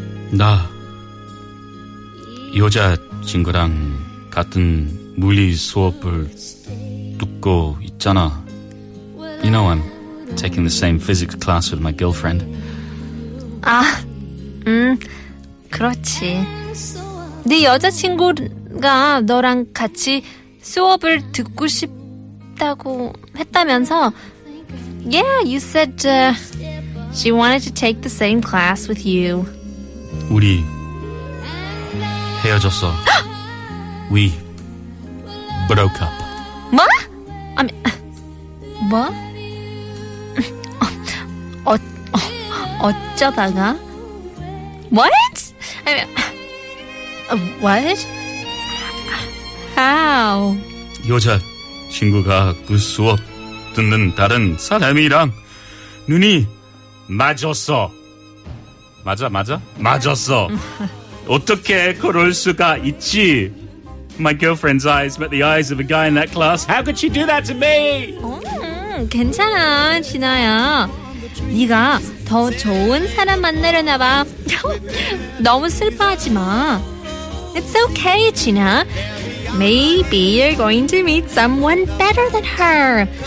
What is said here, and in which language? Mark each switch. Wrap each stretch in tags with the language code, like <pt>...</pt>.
<ko>나 여자 친구랑 같은 물리 수업을 듣고 있잖아.</ko> <en>You know I'm taking the same physics class with my girlfriend.</en> <ko>아, 그렇지. 네 여자 친구가 너랑 같이 수업을 듣고 싶다고 했다면서.</ko> <en>Yeah, you said she wanted to take the same class with you.</en> <ko>우리 헤어졌어.</ko> <en>We broke up.</en> <ko>뭐?</ko> <en>I mean,</en> <ko>뭐? 어쩌다가?</ko> <en>What? I mean, what? How?</en> <ko>여자 친구가 그 수업 듣는 다른 사람이랑 눈이 맞았어. 맞아? 맞았어. 어떻게 그럴 수가 있지?</ko> <en>My girlfriend's eyes met the eyes of a guy in that class. How could she do that to me?</en> <ko>괜찮아, 진아야. 네가 더 좋은 사람 만나려나 봐. 너무 슬퍼하지 마.</ko> <en>It's okay,</en> <ko>진아.</ko> <en>Maybe you're going to meet someone better than her.</en>